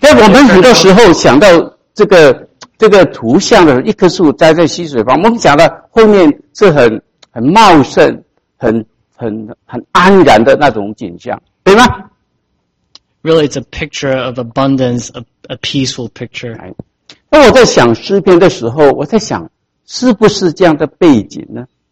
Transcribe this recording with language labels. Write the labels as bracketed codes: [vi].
[zh] 对，我们很多时候想到这个图像的一棵树栽在溪水旁，我们想到后面是很茂盛、很安然的那种景象，对吗？ [en] Really, it's a picture of abundance, a peaceful picture. [zh] 那我在想诗篇的时候，我在想是不是这样的背景呢？